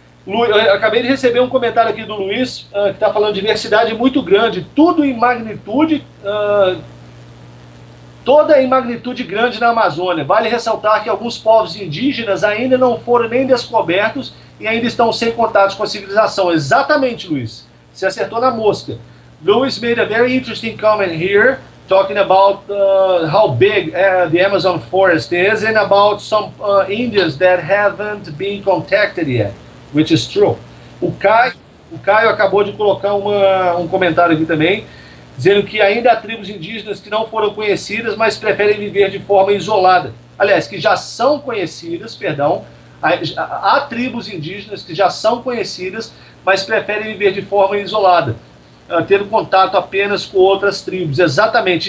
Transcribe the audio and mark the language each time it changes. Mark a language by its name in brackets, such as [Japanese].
[Portuguese] Eu acabei de receber um comentário aqui do Luiz, que está falando de diversidade muito grande, tudo em magnitude, toda em magnitude grande na Amazônia. Vale ressaltar que alguns povos indígenas ainda não foram nem descobertos e ainda estão sem contatos com a civilização. Exatamente, Luiz. Você acertou na mosca. [English] Luiz made a very interesting comment here, talking about how big the Amazon forest is and about some Indians that haven't been contacted yet. Which is true. [Portuguese] O Caio acabou de colocar um comentário aqui também, dizendo que ainda há tribos indígenas que não foram conhecidas, mas preferem viver de forma isolada. Aliás, que já são conhecidas, perdão, há tribos indígenas que já são conhecidas, mas preferem viver de forma isolada, tendo contato apenas com outras tribos. Exatamente.